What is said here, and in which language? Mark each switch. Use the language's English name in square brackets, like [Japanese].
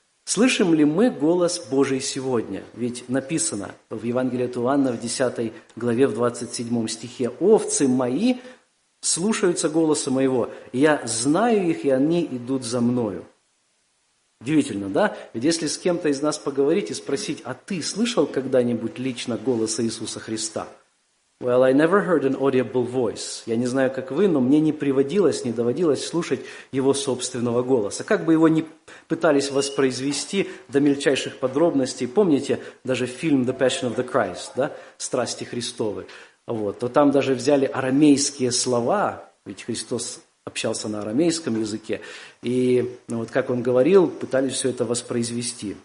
[Russian] Слышим ли мы голос Божий сегодня? Ведь написано в Евангелии от Иоанна в 10 главе в 27 стихе, «Овцы мои слушаются голоса моего, и я знаю их, и они идут за мною». Удивительно, да? Ведь если с кем-то из нас поговорить и спросить, а ты слышал когда-нибудь лично голос Иисуса Христа? [English] Well, I never heard an audible voice. [Russian] Я не знаю, как вы, но мне не доводилось слушать его собственного голоса. Как бы его ни пытались воспроизвести до мельчайших подробностей, помните даже фильм «The Passion of the Christ», да? «Страсти Христовы». Вот, то там даже взяли арамейские слова, ведь Христос общался на арамейском языке, и ну вот как он говорил, пытались все это воспроизвести.